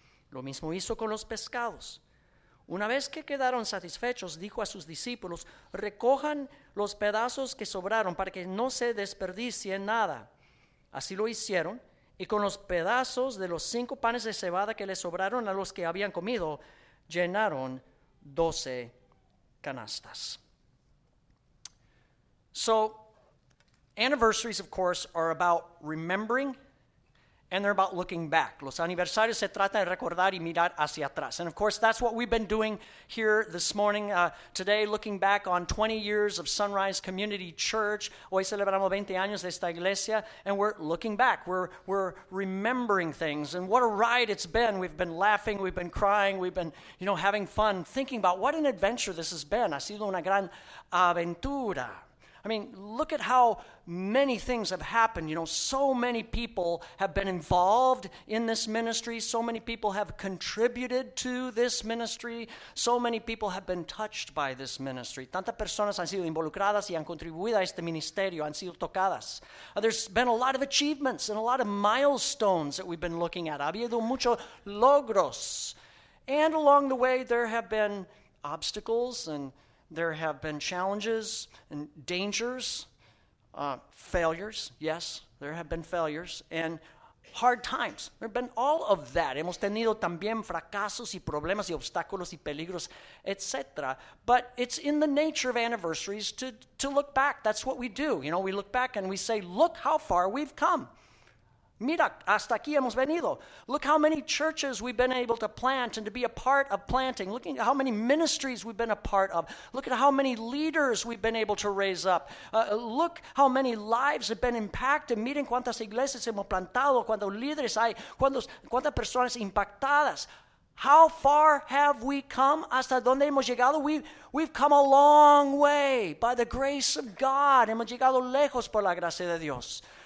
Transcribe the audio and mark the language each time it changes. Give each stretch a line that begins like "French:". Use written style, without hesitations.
Spanish: Lo mismo hizo con los pescados. Una vez que quedaron satisfechos, dijo a sus discípulos, "Recojan los pedazos que sobraron para que no se desperdicie nada." Así lo hicieron, y con los pedazos de los 5 panes de cebada que le sobraron a los que habían comido, llenaron 12 canastas.
English: So, anniversaries, of course, are about remembering, and they're about looking back.
Spanish: Los aniversarios se trata de recordar y mirar hacia atrás.
English: And of course, that's what we've been doing here this morning. Today, looking back on 20 years of Sunrise Community Church.
Spanish: Hoy celebramos 20 años de esta iglesia.
English: And we're looking back. We're remembering things. And what a ride it's been. We've been laughing. We've been crying. We've been, you know, having fun. Thinking about what an adventure this has been.
Spanish: Ha sido una gran aventura.
English: I mean, look at how many things have happened. You know, so many people have been involved in this ministry. So many people have contributed to this ministry. So many people have been touched by this ministry.
Spanish: Tantas personas han sido involucradas y han contribuido a este ministerio, han sido tocadas.
English: There's been a lot of achievements and a lot of milestones that we've been looking at.
Spanish: Ha habido muchos logros.
English: And along the way, there have been obstacles and there have been challenges and dangers, failures, yes, there have been failures, and hard times. There have been all of that.
Spanish: Hemos tenido también fracasos y problemas y obstáculos y peligros, etc.
English: But it's in the nature of anniversaries to look back. That's what we do. You know, we look back and we say, look how far we've come.
Spanish: Mira, hasta aquí hemos venido.
English: Look how many churches we've been able to plant and to be a part of planting. Look at how many ministries we've been a part of. Look at how many leaders we've been able to raise up. Look how many lives have been impacted.
Spanish: Miren cuántas iglesias hemos plantado, cuántos líderes hay, cuántas personas impactadas.
English: How far have we come?
Spanish: Hasta dónde hemos llegado?
English: We've come a long way by the grace of God.
Spanish: Hemos llegado lejos por la gracia de Dios.